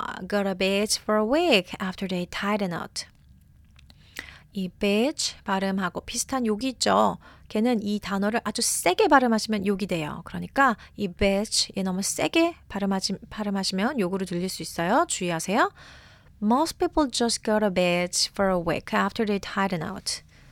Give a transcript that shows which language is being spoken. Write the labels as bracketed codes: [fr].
[en] Go to beach for a week after they tighten out. [ko] 이 beach 발음하고 비슷한 욕이 있죠. 걔는 이 단어를 아주 세게 발음하시면 욕이 돼요. 그러니까 이 beach 얘 너무 세게 발음하시면 욕으로 들릴 수 있어요. 주의하세요. [en] Most people just go to beach for a week after they tighten out.